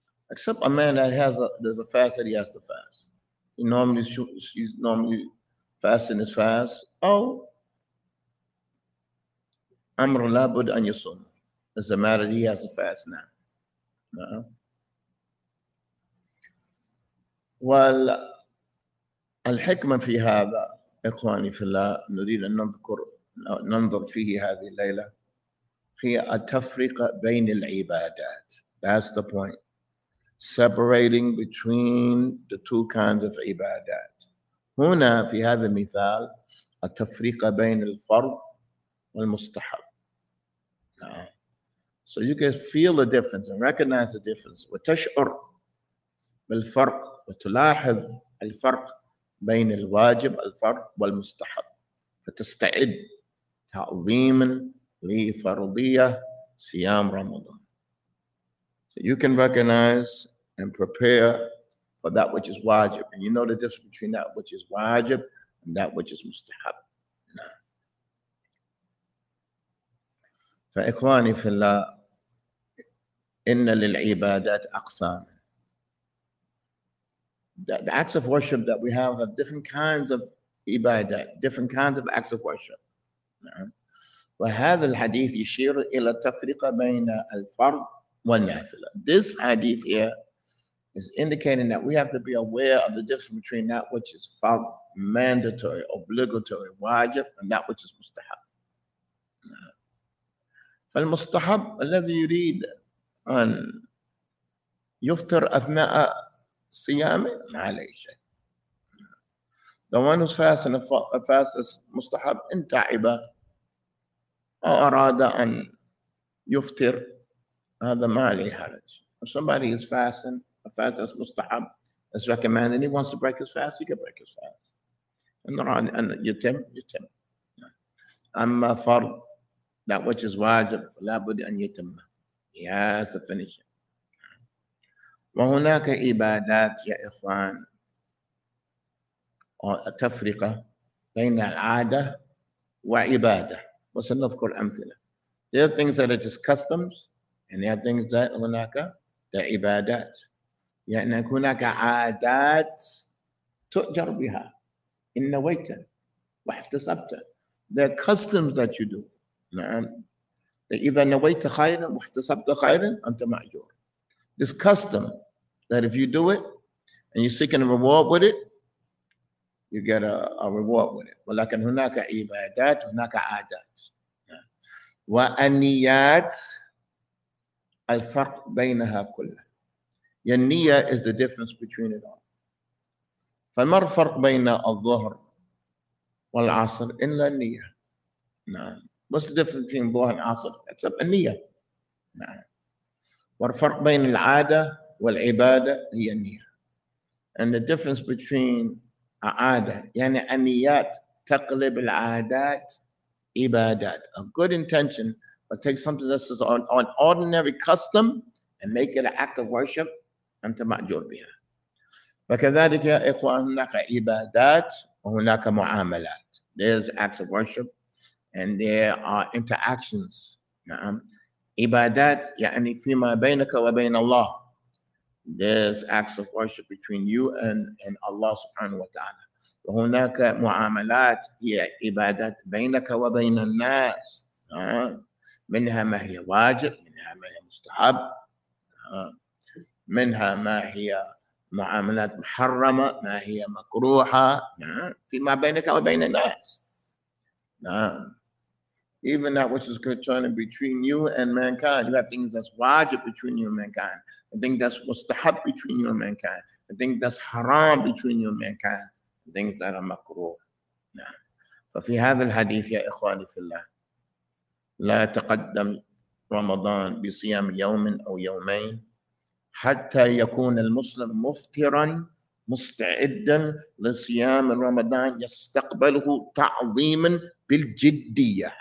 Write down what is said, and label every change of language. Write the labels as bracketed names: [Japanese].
[English] Except a man that has there's a fast that he has to fast. He normally he's normally fasting his fast. [Arabic] Oh, أمر لابد أن يصوم. [English] It's a matter that he has to fast now. Well. [Arabic] الحكمة في هذا إخواني في الله نريد أن ننظر فيه هذه الليلة هي التفرقة بين العبادات. [English] That's the point. Separating between the two kinds of عبادات. [Arabic] هنا في هذا المثال التفرقة بين الفرض والمستحب. [English] So you can feel the difference [Arabic] and recognize the difference وتشعر بالفرق وتلاحظ الفرق بين الواجب الفرض والمستحب فتستعد تعظيما لفرضية صيام رمضان. [English] So you can recognize and prepare for that which is wajib. And you know the difference between that which is wajib and that which is مستحب. [Arabic] فإخواني في الله إن للعبادات أقسام. [English] The acts of worship that we have different kinds of ibadah, different kinds of acts of worship. [Arabic] وهذا الحديث يشير إلى التفرقة بين الفرض والنافلة. [English] This hadith here is indicating that we have to be aware of the difference between that which is fard, mandatory, obligatory, wajib, and that which is mustahab. [Arabic] فالمستحب الذي يريد أن يفطر أثناء صيامه ما عليه شيء. [English] The one who's fasting a fast is [Arabic] مستحب إن تعب أو أراد أن يفطر هذا ما عليه حرج. [English] If somebody is fasting a fast is مستحب is recommended and he wants to break his fast, he can break his fast. [Arabic] إن أراد أن يتم. أما فرض [English] that which is [Arabic] واجب لابد أن يتم. [English] He has to finish it. [Arabic] وهناك عبادات يا إخوان تفرقة بين العادة وعبادة. وسنذكر أمثلة. [English] There are things that are just customs and there are things that هناك the عبادات. [Arabic] يعني هناك عادات تؤجر بها إن نويت واحتسبت. [English] There are customs that you do. نعم. [Arabic] إذا نويت خيرا واحتسبت خيرا أنت مأجور. [English] This custom that if you do it and you're seeking a reward with it, you get a reward with it. [Arabic] ولكن هناك عبادات هناك عادات. والنيات الفرق بينها كلها. [English] النية is the difference between it all. [Arabic] فما الفرق بين الظهر والعصر إلا النية. [English] نعم. What's the difference between الظهر والعصر except النية. نعم. [Arabic] والفرق بين العادة والعبادة هي النية. [English] And the difference between [Arabic] عادة يعني النيات تقلب العادات عبادات. [English] A good intention but take something that's just an ordinary custom and make it an act of worship [Arabic] أنت مأجور بها. وكذلك يا إخوان هناك عبادات وهناك معاملات. [English] There's acts of worship and there are interactions. [Arabic] نعم. عبادات يعني فيما بينك وبين الله. [English] There's acts of worship between you and Allah subhanahu wa ta'ala. [Arabic] وهناك معاملات هي عبادات بينك وبين الناس. منها ما هي واجب منها ما هي مستحب منها ما هي معاملات محرمة ما هي مكروهة فيما بينك وبين الناس. [English] Even that which is concerning between you and mankind, you have things that's wajib between you and mankind, a thing that's mustahab between you and mankind, a thing that's haram between you and mankind, and things that are makruh. [Arabic] نعم. ففي هذا الحديث يا إخواني في الله لا تقدم رمضان بصيام يوم أو يومين حتى يكون المسلم مفطرا مستعدا لصيام رمضان يستقبله تعظيما بالجدية.